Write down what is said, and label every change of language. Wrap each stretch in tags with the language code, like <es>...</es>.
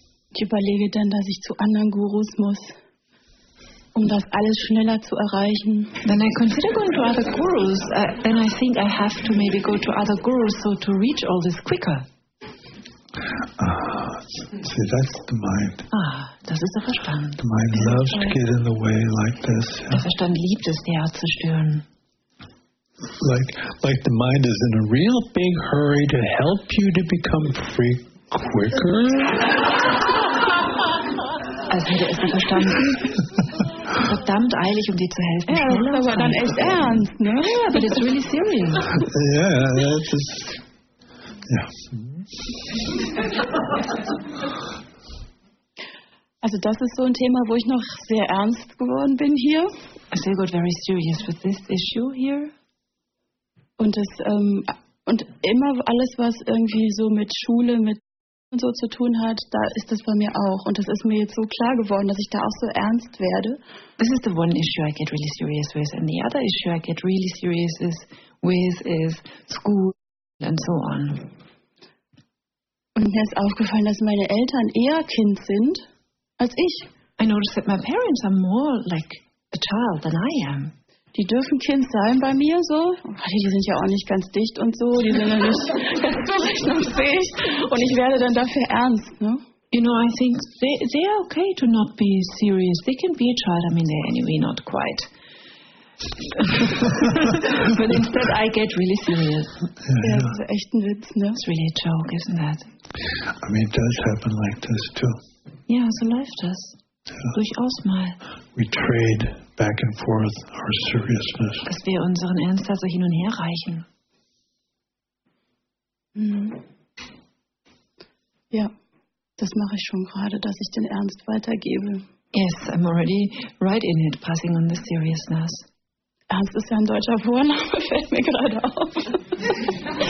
<de>Ich überlege dann, dass ich zu anderen Gurus muss, um das alles schneller zu erreichen.</de> <en>Then I consider going to other gurus. Then I think I have to maybe go to other gurus so to reach all this quicker. See, that's the mind.</en> <de>Ah, das ist der Verstand.</de> <en>The mind loves to get in the way like this. Yeah.</en> <de>Der Verstand liebt es, die Art zu stören.</de> <en>Like the mind is in a real big hurry to help you to become free quicker.</en> <de>Also hätte es den Verstand verdammt eilig, um dir zu helfen. Ja, das ist aber dann echt ernst, ne?</de> <en>Yeah, but it's really serious. Yeah, that's just... Yeah.</en> <de>Also das ist so ein Thema, wo ich noch sehr ernst geworden bin hier.</de> <en>I still got very serious with this issue here.</en> <de>Und das und immer alles, was irgendwie so mit Schule, mit und so zu tun hat, da ist das bei mir auch. Und das ist mir jetzt so klar geworden, dass ich da auch so ernst werde.</de> <en>This is the one issue I get really serious with. And the other issue I get really serious is school and so on.</en> <de>Und mir ist aufgefallen, dass meine Eltern eher Kind sind als ich.</de> <en>I noticed that my parents are more like a child than I am.</en> <de>Die dürfen Kind sein bei mir so. Die sind ja auch nicht ganz dicht und so. Die sind ja nicht ganz durchschnittlich. Und ich werde dann dafür ernst, ne?</de> <en>You know, I think they're okay to not be serious. They can be a child. I mean, they're anyway not quite. But instead I get really serious.</en> <de>Yeah, yeah. Das ist echt ein Witz, ne?</de> <en>It's really a joke, isn't that? I mean, it does happen like this too.</en> <de>Ja, yeah, so läuft das. Yeah. Durchaus mal.</de> <en>We trade back and forth our seriousness.</en> <de>Dass wir unseren Ernst also hin und her reichen. Mhm. Ja, das mache ich schon gerade, dass ich den Ernst weitergebe.</de> <en>Yes, I'm already right in it, passing on the seriousness.</en> <de>Ernst ist ja ein deutscher Vorname, fällt mir gerade auf.</de>